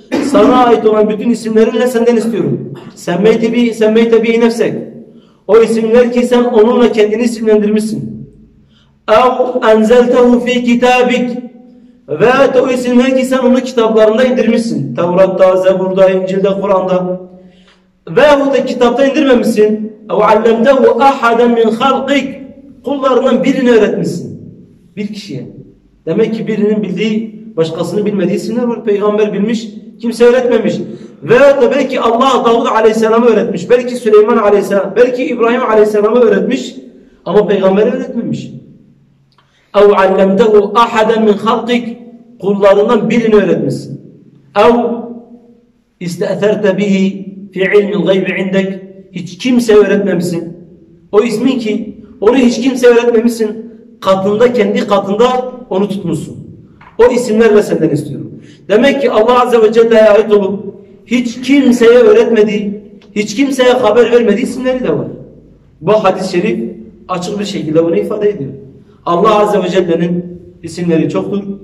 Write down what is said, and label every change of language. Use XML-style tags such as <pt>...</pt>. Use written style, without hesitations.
<tr>sana ait olan bütün isimlerinle senden istiyorum.</tr> <ar>Semmeyte bi nefsek.</ar> <tr>O isimler ki sen onunla kendini isimlendirmişsin.</tr> <ar>اَوْ اَنْزَلْتَهُ ف۪ي كِتَابِكَ</ar> <tr>Veyahut o isimler ki sen onu kitaplarında indirmişsin. Tevrat'ta, Zebur'da, İncil'de, Kur'an'da. Veyahut da kitapta indirmemişsin.</tr> <ar>اَوْ عَلَّمْتَهُ اَحَدًا مِنْ خَلْقِكَ</ar> <tr>Kullarından birini öğretmişsin. Bir kişiye. Demek ki birinin bildiği, başkasının bilmediği isimler var. Peygamber bilmiş, kimse öğretmemiş. Veyahut da belki Allah Davud Aleyhisselam'ı öğretmiş. Belki Süleyman Aleyhisselam, belki İbrahim Aleyhisselam'ı öğretmiş. Ama Peygamber'e öğretmemiş.</tr> <ar>اَوْ عَلَّمْتَهُ اَحَدًا مِنْ خَلْقِكَ</ar> <tr>Kullarından birini öğretmişsin.</tr> <ar>اَوْ اِسْتَأْثَرْتَ بِهِ فِي عِلْمِ الْغَيْبِ عِنْدَكَ</ar> <tr>Hiç kimse öğretmemişsin. O ismin ki, onu hiç kimse öğretmemişsin. Katında, kendi katında onu tutmuşsun. O isimlerle senden istiyorum. Demek ki Allah Azze ve Celle'ye ait olup hiç kimseye öğretmediği, hiç kimseye haber vermediği isimleri de var. Bu hadis-i şerif açık bir şekilde bunu ifade ediyor. Allah Azze ve Celle'nin isimleri çoktur.</tr>